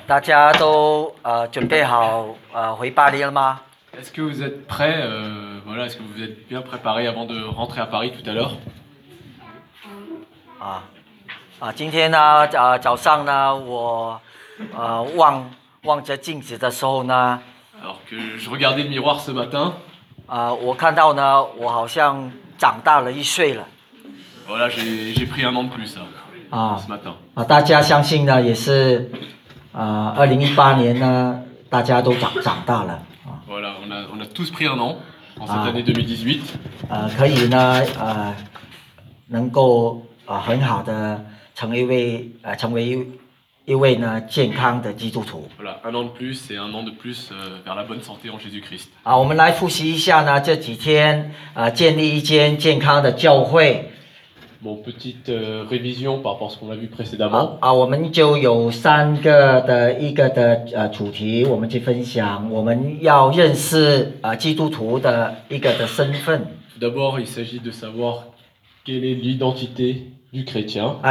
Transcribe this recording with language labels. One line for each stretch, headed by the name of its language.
Chinese: 大家都准备好回巴黎了吗？
French: Est-ce que vous êtes prêts? Voilà, est-ce que vous êtes bien préparés avant de rentrer à Paris tout à l'heure?
Chinese: 今天呢，早上呢，我望着镜子的时候呢，
French: Alors que je regardais le miroir ce matin,
Chinese: 我看到呢，我好像长大了一岁了。
French: Voilà, j'ai pris un an de plus, hein, ce matin.
Chinese: 大家相信呢，也是，2018年呢，大家都长大了。
French: Voilà, on a tous pris un an en cette année 2018.
Chinese: 可以呢，能够很好的成为一位呢健康的基督徒。
French: Voilà, un an de plus et un an de plus vers la bonne santé en Jésus-Christ.
Chinese: 我们来复习一下呢，这几天建立一间健康的教会。
French: Bon, petite révision par rapport à ce qu'on a vu précédemment.
Chinese: 我们就有三个的一个的主题，我们去分享，我们要认识基督徒的一个的身份。
French: D'abord, il s'agit de savoir quelle est l'identité du chrétien.